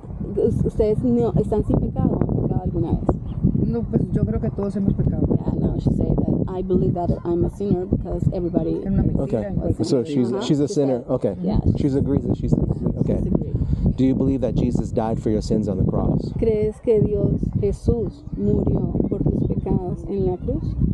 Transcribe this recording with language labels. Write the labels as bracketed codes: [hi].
[es] Ustedes no están sin pecado, han pecado alguna vez. No, pues yo creo que todos hemos pecado. [en] Yeah, no, she said that I believe that I'm a sinner because everybody. Okay. So she's a sinner. Okay. Yeah. She agrees that she's a sinner. Okay. Do you believe that Jesus died for your sins on the cross? [es] ¿Crees que Dios Jesús murió por tus pecados en la cruz?